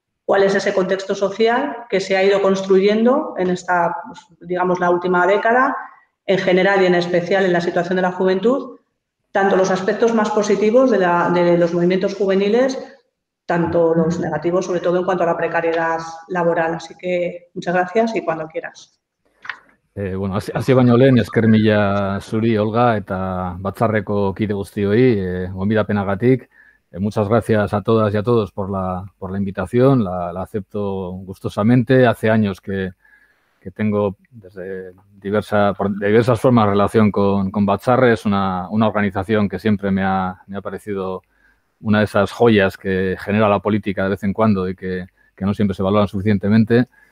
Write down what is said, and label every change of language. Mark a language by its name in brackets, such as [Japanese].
[Spanish] ¿Cuál es ese contexto social que se ha ido construyendo en esta, pues, digamos, la última década? En general y en especial en la situación de la juventud, tanto los aspectos más positivos de los movimientos juveniles, tanto los negativos, sobre todo en cuanto a la precariedad laboral. Así que muchas gracias y cuando quieras. [Basque] Bueno, hasi baino lehen, esker mila zuri, Olga, eta batzarreko kide guztioi, gonbidapenagatik. [Spanish] Muchas gracias a todas y a todos por la invitación, la acepto gustosamente. Hace años que que tengo desde diversas formas relación con Batzarre. Es una organización que siempre me ha parecido una de esas joyas que genera la política de vez en cuando y que no siempre se valoran suficientemente.